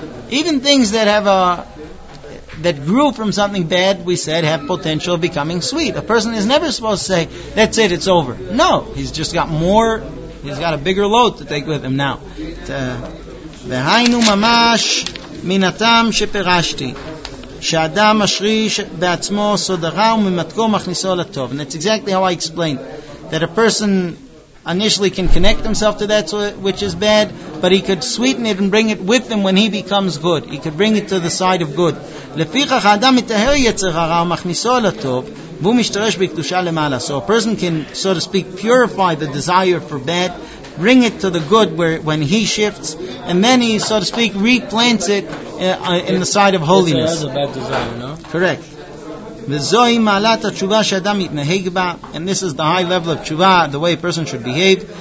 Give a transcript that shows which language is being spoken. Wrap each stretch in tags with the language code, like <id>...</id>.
<en>Even things that have that grew from something bad, we said, have potential of becoming sweet. A person is never supposed to say, that's it, it's over. No, he's just got more, he's got a bigger load to take with him now.</en> <he>והיינו ממש מן הטעם שפרשתי שאדם משריש בעצמו סוד הרע וממתקו מכניסו לטוב.</he> <en>And that's exactly how I explained that a person initially can connect himself to that which is bad, but he could sweeten it and bring it with him when he becomes good. He could bring it to the side of good.</en> <he>לפיכך האדם מתאר יצר הרע ומכניסו לטוב והוא משתרש בקדושה למעלה.</he> <en>So a person can, so to speak, purify the desire for bad, bring it to the good where when he shifts, and then he, so to speak, replants it in the side of holiness. It has a bad desire, no? Correct.</en> <he>וזוהי מעלת התשובה שאדם מתנהג בה,</he> <en>and this is the high level of תשובה, the way a person should behave.</en>